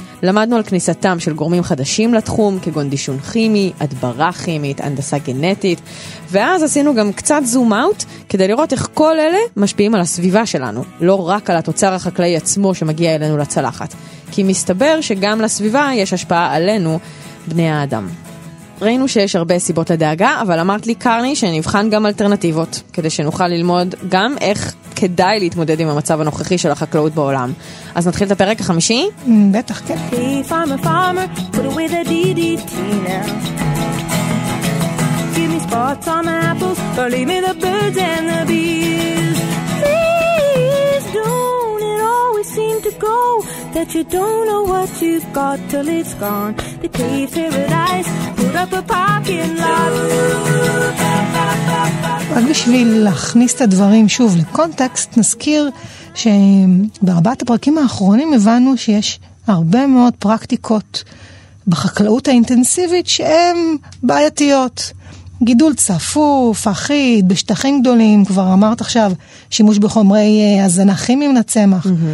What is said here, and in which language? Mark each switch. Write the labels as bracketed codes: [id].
[he] למדנו על כניסתם של גורמים חדשים לתחום, כגון דישון כימי, הדברה כימית, הנדסה גנטית, ואז עשינו גם קצת זום אאוט, כדי לראות איך כל אלה משפיעים על הסביבה שלנו, לא רק על התוצר החקלאי עצמו שמגיע אלינו לצלחת. כי מסתבר שגם לסביבה יש השפעה עלינו, בני האדם. ראינו שיש הרבה סיבות לדאגה, אבל אמרת לי קרני שנבחן גם אלטרנטיבות, כדי שנוכל ללמוד גם איך כדאי להתמודד עם המצב הנוכחי של החקלאות בעולם. אז נתחיל את הפרק החמישי? בטח, כן. [en] Hey, farmer, put away the DDT now. Give me spots on the apples, or leave me the birds and the bees. Please don't it always seem to go that you don't know what you've got till it's gone. The key paradise, put up a parking lot. [he] רק בשביל להכניס את הדברים שוב לקונטקסט, נזכיר שבארבעת הפרקים האחרונים הבנו שיש הרבה מאוד פרקטיקות בחקלאות האינטנסיבית שהן בעייתיות. גידול צפוף, אחיד, בשטחים גדולים, כבר אמרת עכשיו, שימוש בחומרי הזנה כימיים לצמח.